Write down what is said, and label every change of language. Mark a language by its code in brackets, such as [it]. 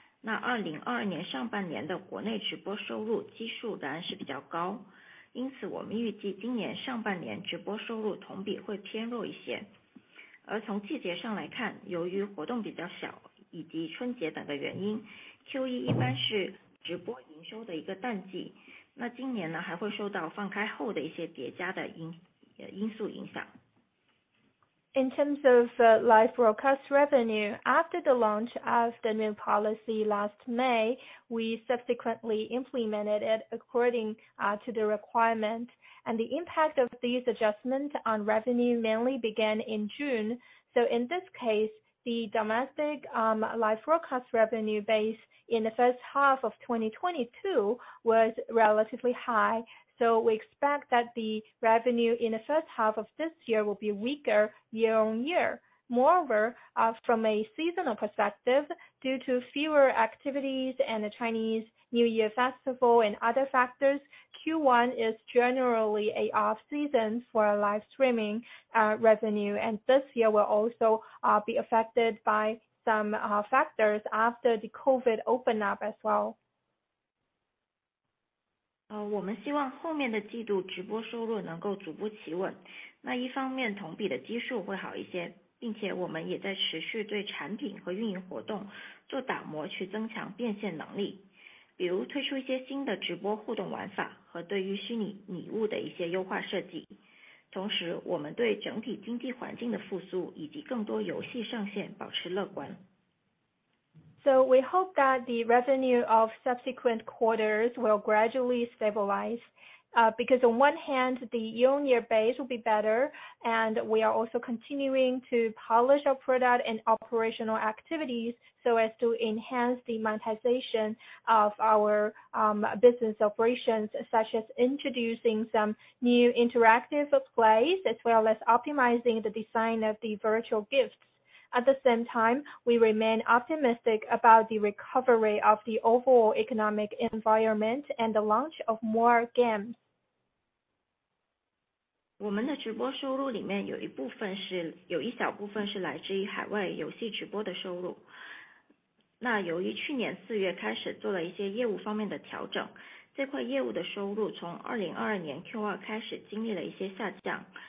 [zh] 那2022年上半年的国内直播收入基数仍然是比较高，因此我们预计今年上半年直播收入同比会偏弱一些。而从季节上来看，由于活动比较小以及春节等的原因， Q1 一般是直播营收的一个淡季，那今年呢还会受到放开后的一些叠加的因素影响。 [en] In terms of live broadcast revenue, after the launch of the new policy last May, we subsequently implemented it according to the requirement, and the impact of these adjustments on revenue mainly began in June. So in this case, the domestic live broadcast revenue base in the first half of 2022 was relatively high. So we expect that the revenue in the first half of this year will be weaker year on year. Moreover, from a seasonal perspective, due to fewer activities and the Chinese New Year festival and other factors, Q1 is generally a off season for live streaming revenue. And this year will also be affected by some factors after the COVID open up as well. [zh] 我们希望后面的季度直播收入能够逐步企稳，那一方面同比的基数会好一些，并且我们也在持续对产品和运营活动做打磨，去增强变现能力，比如推出一些新的直播互动玩法和对于虚拟礼物的一些优化设计。同时我们对整体经济环境的复苏以及更多游戏上线保持乐观。 [en] So we hope that the revenue of subsequent quarters will gradually stabilize, because on one hand, the year-on-year base will be better, and we are also continuing to polish our product and operational activities so as to enhance the monetization of our business operations, such as introducing some new interactive plays, as well as optimizing the design of the virtual gifts. At the same time, we remain optimistic about the recovery of the overall economic environment and the launch of more games. [zh] 我们的直播收入里面有一小部分是来自于海外游戏直播的收入。那由于去年四月开始做了一些业务方面的调整，这块业务的收入从2022年 Q2 开始经历了一些下降。